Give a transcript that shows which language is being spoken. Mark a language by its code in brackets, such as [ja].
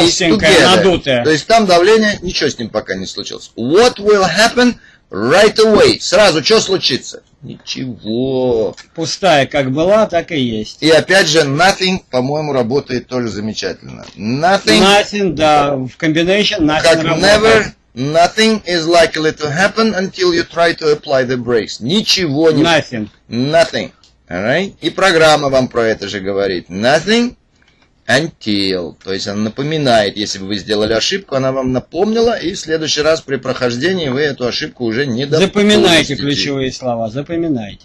[ru] Толстенькая, надутая. То есть там давление, ничего с ним пока не случилось. [en] What will happen... Right away. [ru] Сразу, что случится? Ничего. Пустая как была, так и есть. И опять же, nothing, по-моему, работает тоже замечательно. [en] Nothing. [ru] Nothing, да, в комбинейшн nothing как работает. [en] Как never, nothing is likely to happen until you try to apply the brakes. [ru] Ничего не... [en] Nothing. Nothing. Alright? [ru] И программа вам про это же говорит. [en] Nothing until. [ru] То есть она напоминает, если бы вы сделали ошибку, она вам напомнила, и в следующий раз при прохождении вы эту ошибку уже не допустите. Запоминайте ключевые слова, запоминайте.